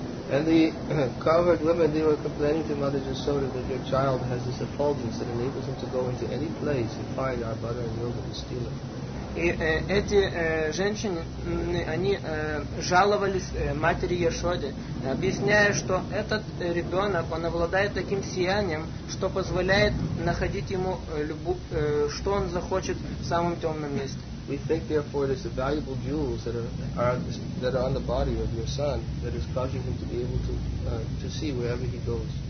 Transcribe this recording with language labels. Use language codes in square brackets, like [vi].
[en] And the cowherd women, they were complaining to Mother Jasoda that their child has this effulgence that enables him to go into any place and find our butter and yogurt and steal it. [ru] И эти женщины, они жаловались матери Яшоде, объясняя, что этот ребенок, он обладает таким сиянием, что позволяет находить ему что он захочет в самом темном месте. [en] We think, therefore, it is the valuable jewels that are on the body of your son that is causing him to be able to see wherever he goes.